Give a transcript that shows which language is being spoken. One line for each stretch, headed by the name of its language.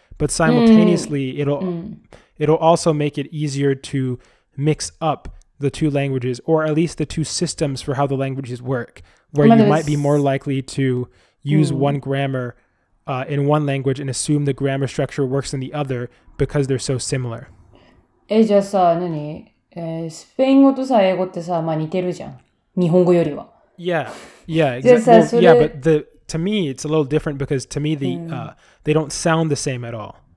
English: But simultaneously, it'll also make it easier to mix up the two languages, or at least the two systems for how the languages work, where you might be more likely to use one grammar in one language and assume the grammar structure works in the other because they're so similar.
Japanese: スペイン語とさ英語ってさ、まあ、似てるじゃん。日本語よりは。
English: Yeah, yeah, exactly. Well, yeah, but to me, it's a little different because to me, they don't sound the same at all.